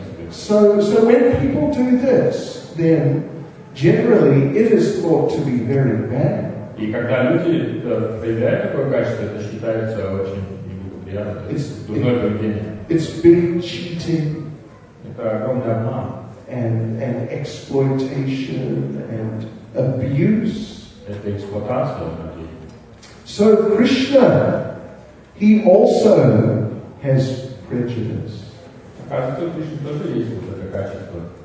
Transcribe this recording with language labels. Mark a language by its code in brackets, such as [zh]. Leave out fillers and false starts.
[en] So when people do this, then generally, it is thought to be very bad. [ru] И когда люди проявляют такое качество, это считается очень неблагоприятным. [en] It's being cheating. [ru] Это огромный обман. [en] And exploitation and abuse. [ru] Это эксплуатация людей. [en] So Krishna, he also has prejudice. [ru] Оказывается, Кришна тоже есть вот это качество.